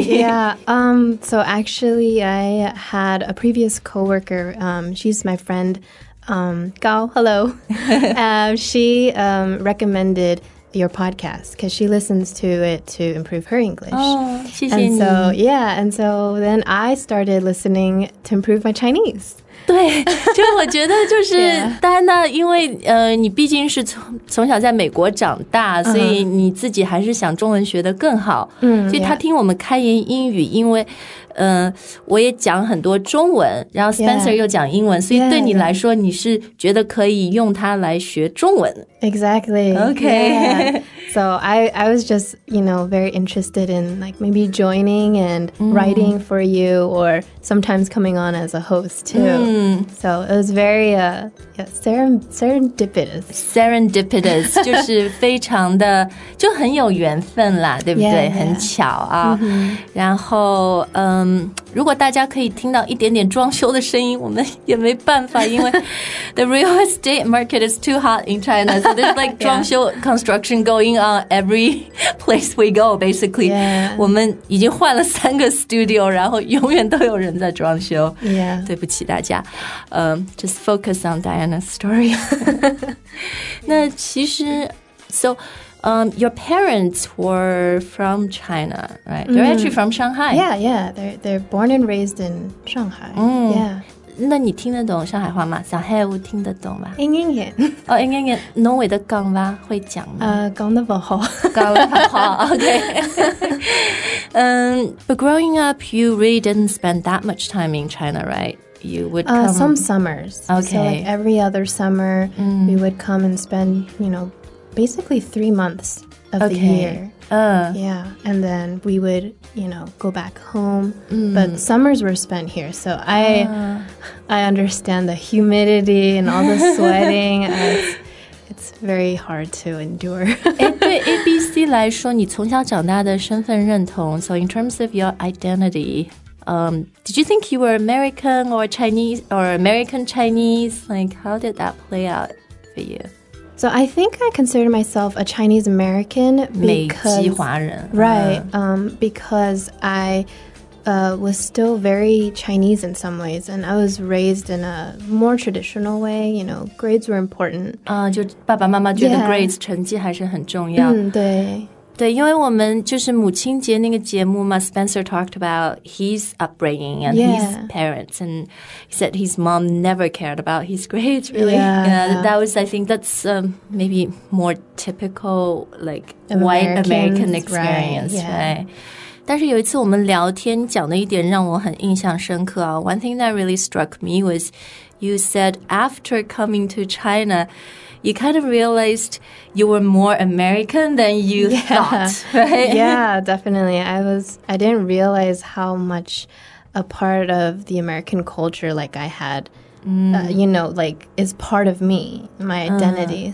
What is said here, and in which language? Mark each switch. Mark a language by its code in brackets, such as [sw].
[en] Yeah, so actually I had a previous coworker. She's my friend, Gao, hello. she recommended your podcast because she listens to it to improve her English. [zh] Oh, 谢谢你。 [en] And so, yeah, and so then I started listening to improve my Chinese. [zh] 对，就我觉得就是戴安娜，因为你毕竟是从小在美国长大，所以你自己还是想中文学得更好。嗯、uh-huh. ，所以他听我们开言英语，因为我也讲很多中文，然后 Spencer 又讲英文， [en] yeah. [zh] 所以对你来说，你是觉得可以用它来学中文。 [en] Exactly. Okay.、 Yeah. So I was just, you know, very interested in like maybe joining and writing for you or sometimes coming on as a host too. So it was very serendipitous. [zh] Serendipitous 就是非常的就很有缘分啦，对不对？ [en] Yeah, yeah. [zh] 很巧啊。 Mm-hmm. 然后如果大家可以听到一点点装修的声音，我们也没办法，因为 [en] the real estate market is too hot in China. So there's like [zh] 装修 [en] construction going on every place we go. Basically,、 yeah. [zh] 我们已经换了三个 studio, 然后永远都有人在装修。 [en] Yeah. [zh] 对不起大家。 [en] Just focus on Diana's story. [zh] 那其实 so. [en] Your parents were from China, right? They're actually from Shanghai. Yeah, yeah. They're born and raised in Shanghai. Yeah. [zh] 那你听得懂上海话吗？小黑我听得懂吧？应该也哦，应该也浓尾的港吧会讲吗？港的不好，港的不好。 [en] OK， 嗯，But growing up, you really didn't spend that much time in China, right? You would come some summers. Okay, so like every other summer, we would come and spend, you know, basically 3 months of the year. Yeah, and then we would, you know, go back home. Mm. But summers were spent here, so I understand the humidity and all the sweating. it's very hard to endure. [zh] 对 ABC 来说，你从小长大的身份认同。 [en] So in terms of your identity, did you think you were American or Chinese or American Chinese? Like, how did that play out for you? So I think I consider myself a Chinese American because, [zh] 美籍华人 [en] right, because I was still very Chinese in some ways, and I was raised in a more traditional way, you know, grades were important. [zh] 就爸爸妈妈觉得 grades 成绩还是很重要。嗯，对。对，因为我们就是母亲节那个节目嘛 [en] ，Spencer talked about his upbringing and his parents, and he said his mom never cared about his grades. Really, that was, I think, that's maybe more typical like white American experience, right? [zh] 但是有一次我们聊天讲的一点让我很印象深刻啊。 [en] One thing that really struck me was you said after coming to China. You kind of realized you were more American than you thought, right? Yeah, definitely. I didn't realize how much a part of the American culture like I had, you know, like is part of me, my identity.